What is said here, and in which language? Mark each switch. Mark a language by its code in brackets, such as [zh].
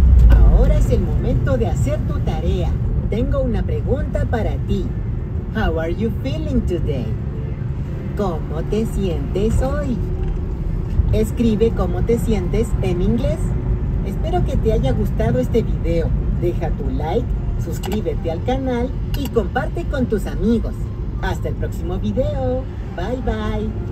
[es] Ahora es el momento de hacer tu tarea. Tengo una pregunta para ti. [en] How are you feeling today? [es] ¿Cómo te sientes hoy? Escribe cómo te sientes en inglés. Espero que te haya gustado este video. Deja tu like, suscríbete al canal y comparte con tus amigos. Hasta el próximo video. Bye.